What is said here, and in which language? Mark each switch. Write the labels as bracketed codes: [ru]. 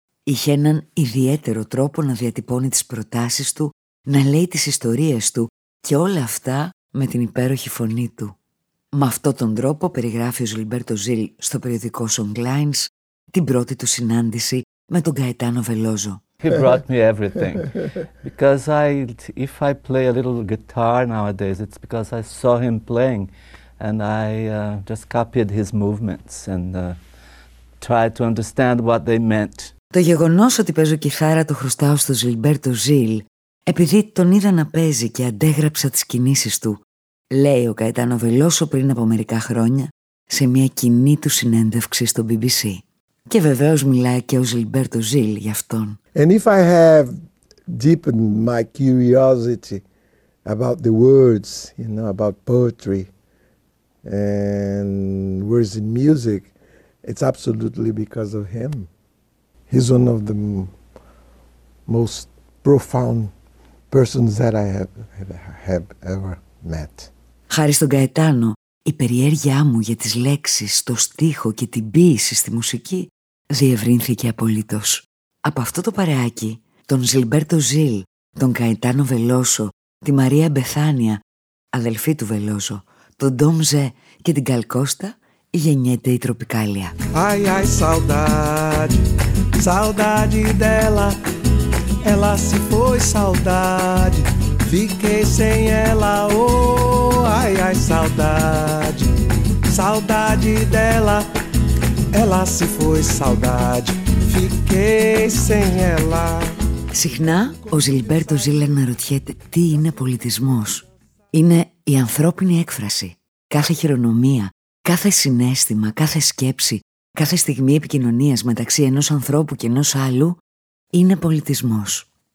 [el] Είχε έναν ιδιαίτερο τρόπο να διατυπώνει τις προτάσεις του, να λέει τις ιστορίες του και όλα αυτά με την υπέροχη φωνή του. Με αυτόν τον τρόπο περιγράφει ο Ζιλμπέρτο Ζιλ στο περιοδικό Song Lines την πρώτη του συνάντηση με τον Καετάνο Βελόζο. [en] He brought me everything. Because if I play a little guitar nowadays, it's because I saw him playing and I just copied his movements and tried to understand what they meant. [el] Το γεγονός ότι παίζω κιθάρα το χρωστάω στο Ζιλμπέρτο Ζιλ επειδή τον είδα να παίζει και αντέγραψα τις κινήσεις του, λέει ο Καετάνο Βελόσο πριν από μερικά χρόνια σε μια κοινή του συνέντευξη στο BBC. Και βεβαίως μιλάει και ο Ζιλμπέρτο Ζιλ για αυτόν. [en] And if I have deepened my curiosity about the words, you know, about poetry and words in music, it's absolutely because of him. He's one of the most profound persons that I have ever met. [el] Χάρη στον Καετάνο, η περιέργειά μου για τις λέξεις, το στίχο και την ποίηση στη μουσική διευρύνθηκε απολύτως. Από αυτό το παρεάκι, τον Ζιλμπέρτο Ζιλ, τον Καετάνο Βελόσο, τη Μαρία Μπεθάνια, αδελφή του Βελόζο, τον Ντόμ Ζε και την Καλκώστα, γεννιέται η Τροπικάλια. [pt] Ai, ai, saudade, saudade dela. Ela se foi, saudade. Fiquei sem ela, oh, ai, ai, saudade, saudade dela. ela se foi, saudade, fiquei sem ela. [el] Συχνά ο Gilberto Gil αναρωτιέται τι είναι πολιτισμός. Είναι η ανθρώπινη έκφραση. Κάθε χειρονομία, κάθε συνέστημα, κάθε σκέψη, κάθε στιγμή επικοινωνίας μεταξύ ενός ανθρώπου και ενός άλλου είναι πολιτισμός.